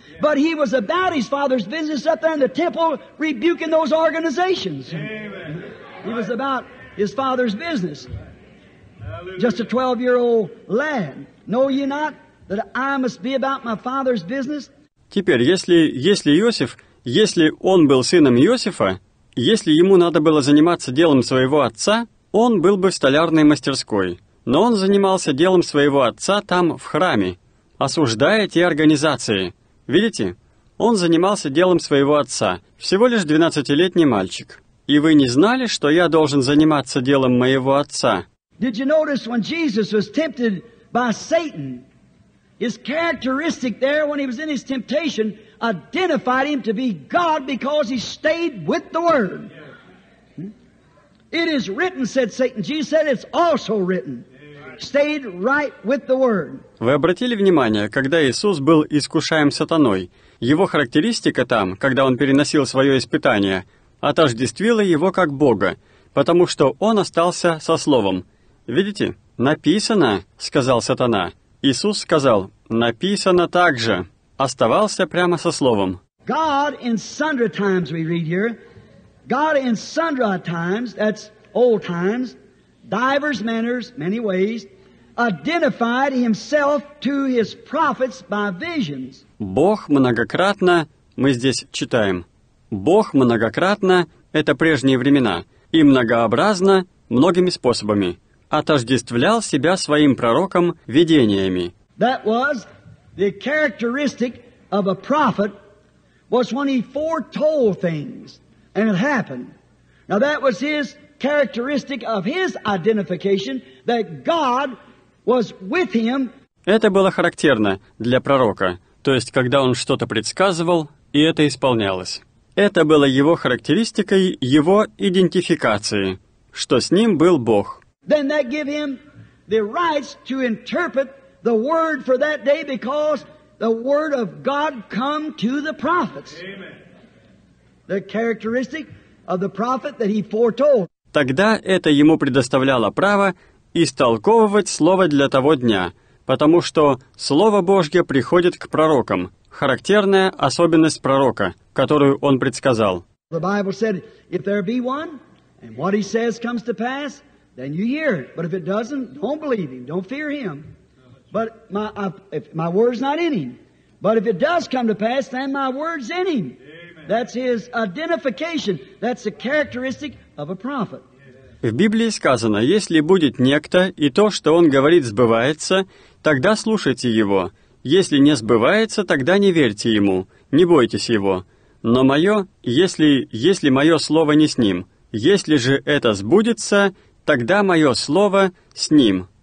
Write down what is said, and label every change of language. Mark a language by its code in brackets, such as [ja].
[en] But he was about his father's business up there in the temple rebuking those organizations. Amen. He was about his father's business. Just a 12-year-old lad. Know ye not that I must be about my father's business? [ru] Теперь, если он был сыном Иосифа, если ему надо было заниматься делом своего отца, он был бы в столярной мастерской. Но он занимался делом своего отца там, в храме, осуждая те организации. Видите? Он занимался делом своего отца, всего лишь 12-летний мальчик. И вы не знали, что я должен заниматься делом моего отца? [en] Did you notice when Jesus was tempted by Satan, his characteristic there when he was in his temptation identified him to be God because he stayed with the Word? It is written, said Satan. Jesus said, it's also written. Stayed right with the Word. [ru] Вы обратили внимание, когда Иисус был искушаем сатаной, его характеристика там, когда он переносил свое испытание, отождествила его как Бога, потому что он остался со Словом. Видите, написано, сказал сатана. Иисус сказал, написано так же. Оставался прямо со словом. [en] God in sundry times, we read here. God in sundry times, that's old times, divers manners, many ways, identified himself to his prophets by visions. [ru] Бог многократно, мы здесь читаем. Бог многократно, это прежние времена, и многообразно, многими способами. Отождествлял себя своим пророком видениями. [en] That was the characteristic of a prophet, was when he foretold things, and it happened. Now that was his characteristic of his identification, that God was with him. [ru] Это было характерно для пророка, то есть когда он что-то предсказывал, и это исполнялось. Это было его характеристикой, его идентификацией, что с ним был Бог. [en] Then that give him the rights to interpret the word for that day because the word of God come to the prophets. Amen. The characteristic of the prophet that he foretold. [ru] Тогда это ему предоставляло право истолковывать слово для того дня, потому что слово Божье приходит к пророкам, характерная особенность пророка, которую он предсказал. [en] The Bible said, if there be one, and what he says comes to pass, then you hear it. But if it doesn't, don't believe him. Don't fear him. But my word's not in him. But if it does come to pass, then my word's in him. Amen. That's his identification. That's the characteristic of a prophet. [ru] В Библии сказано, если будет некто, и то, что он говорит, сбывается, тогда слушайте его. Если не сбывается, тогда не верьте ему. Не бойтесь его. Но мое, если мое слово не с ним, если же это сбудется, тогда мое слово с ним.